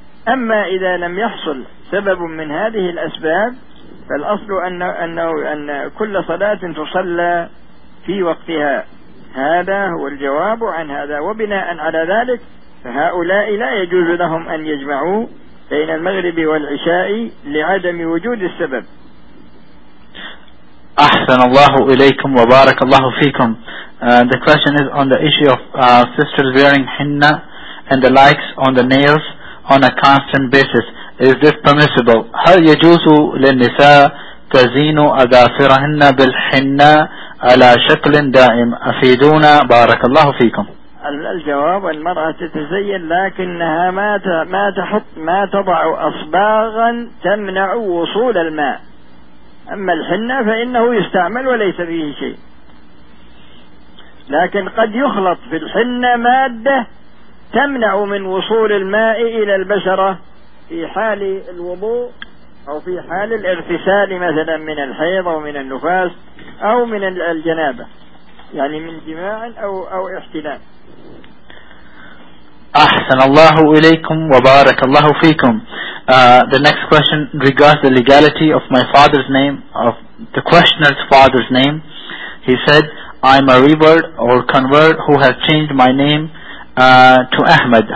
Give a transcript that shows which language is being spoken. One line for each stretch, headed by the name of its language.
Arabic: أما إذا لم يحصل سبب من هذه الأسباب فالأصل أن كل صلاة تصلى في وقتها. هذا هو الجواب عن هذا. وبناء على ذلك فهؤلاء لا يجوز لهم أن يجمعوا بين المغرب والعشاء لعدم وجود السبب. أحسن الله إليكم وبارك الله فيكم.
English: The question is on the issue of sisters wearing henna and the likes on the nails on a constant basis. Is this permissible?
Arabic: هل يجوز للنساء تزين أظافرهن بالحناء على شكل دائم؟ أفيدونا بارك الله فيكم. الجواب، المرأة تتزين لكنها ما تضع أصباغا تمنع وصول الماء، أما الحناء فإنه يستعمل وليس فيه شيء، لكن قد يخلط في الحنة مادة تمنع من وصول الماء إلى البشرة في حال الوضوء أو في حال الاغتسال مثلا من الحيض أو من النفاس أو من الجنابة، يعني من جماع أو احتلال. أحسن الله إليكم وبارك الله فيكم.
English: The next question regards the legality of my father's name, of the questioner's father's name. He said, I'm a revert or convert who has changed my name to Ahmed.